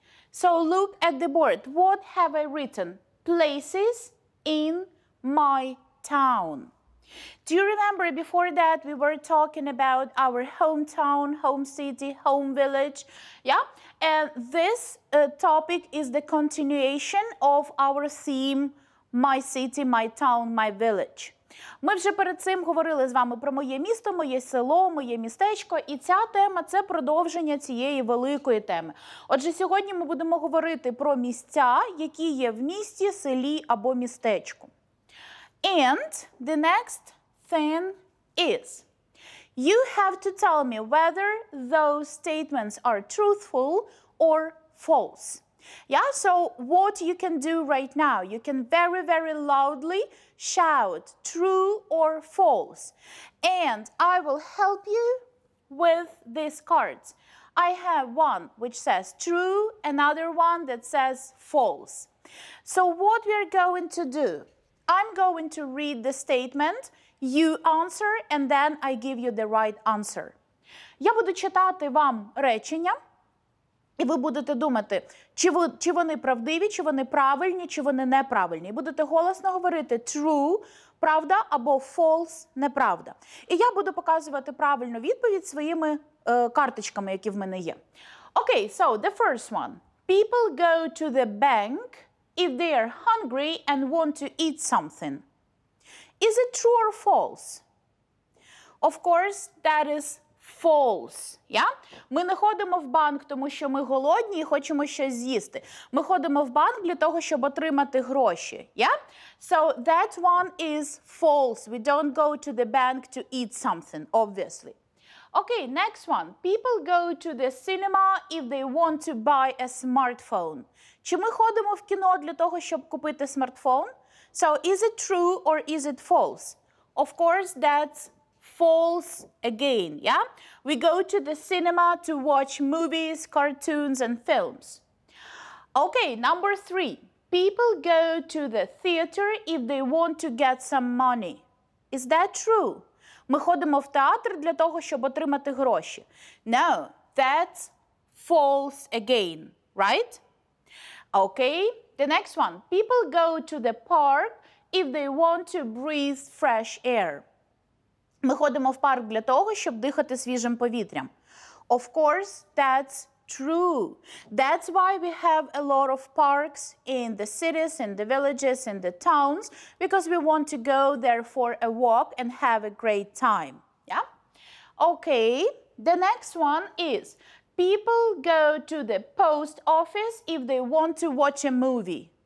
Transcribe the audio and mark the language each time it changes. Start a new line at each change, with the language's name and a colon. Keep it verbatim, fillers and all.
English: So look at the board. What have I written? Places in my town. Do you remember before that we were talking about our hometown, home city, home village? Yeah, and this uh, topic is the continuation of our theme My City, My Town, My Village.
Ukrainian: Ми вже перед цим говорили з вами про моє місто, моє село, моє містечко, і ця тема – це продовження цієї великої теми. Отже, сьогодні ми будемо говорити про місця, які є в місті, селі або містечку.
English: And the next thing is, you have to tell me whether those statements are truthful or false. Yeah, so what you can do right now, you can very, very loudly shout true or false. And I will help you with these cards. I have one which says true, another one that says false. So what we are going to do? I'm going to read the statement, you answer, and then I give you the right answer.
Ukrainian: Я буду читати вам речення, і ви будете думати, чи, ви, чи вони правдиві, чи вони правильні, чи вони неправильні. І будете голосно говорити true, правда, або false, неправда. І я буду показувати правильну відповідь своїми е, карточками, які в мене є.
English: Okay, so the first one. People go to the bank if they are hungry and want to eat something. Is it true or false? Of course, that is false. Yeah?
Ukrainian: Ми не ходимо в банк, тому що ми голодні і хочемо щось з'їсти. Ми ходимо в банк для того, щоб отримати гроші.
English: Yeah? So that one is false. We don't go to the bank to eat something, obviously. Okay, next one. People go to the cinema if they want to buy a smartphone.
Ukrainian: Чи ми ходимо в кіно для того, щоб купити смартфон?
English: So, is it true or is it false? Of course, that's false again, yeah? We go to the cinema to watch movies, cartoons, and films. Okay, number three. People go to the theater if they want to get some money. Is that true?
Ukrainian: Ми ходимо в театр для того, щоб отримати гроші.
English: No, that's false again, right? Okay, the next one. People go to the park if they want to breathe fresh air.
Ukrainian: Ми ходимо в парк для того, щоб дихати свіжим повітрям.
English: Of course, that's true. That's why we have a lot of parks in the cities, in the villages, in the towns, because we want to go there for a walk and have a great time. Yeah? Okay, the next one is people go to the post office if they want to watch a movie.